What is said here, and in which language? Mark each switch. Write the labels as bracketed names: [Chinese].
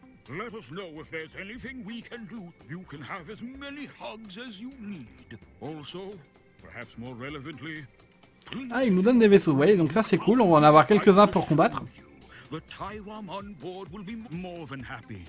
[English] Let us know if there's anything we can do. You can have as many hugs as you need. Also, perhaps more relevantly, [French] ah, ils nous donnent des vaisseaux, ouais, donc ça c'est cool, on va en avoir quelques-uns pour combattre. [English] The Taiwan on board will be more than happy.